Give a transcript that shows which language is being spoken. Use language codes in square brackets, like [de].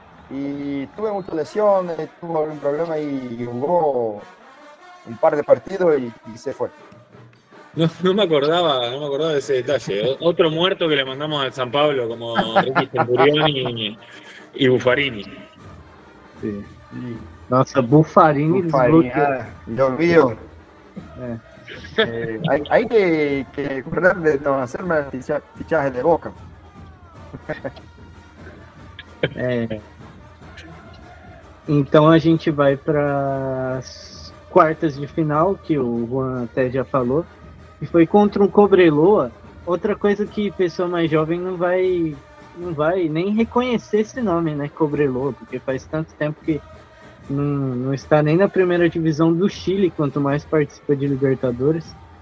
[pt] E tuve muitas lesões, tuve algum problema e jogou... [es] un par de partidos y se fue. No me acordaba de ese detalle. Otro muerto que le mandamos al San Pablo, como Ricky Centurión y Buffarini. [pt] Sí. Nossa, Buffarini. [es] Dios mío. Hay que acordar de no hacerme fichaje de Boca. [pt] Então a gente vai para quartas de final, que o Juan até já falou, e foi contra um Cobreloa, outra coisa que pessoa mais jovem não vai nem reconhecer esse nome, né, Cobreloa, porque faz tanto tempo que não está nem na primeira divisão do Chile, quanto mais participa de Libertadores.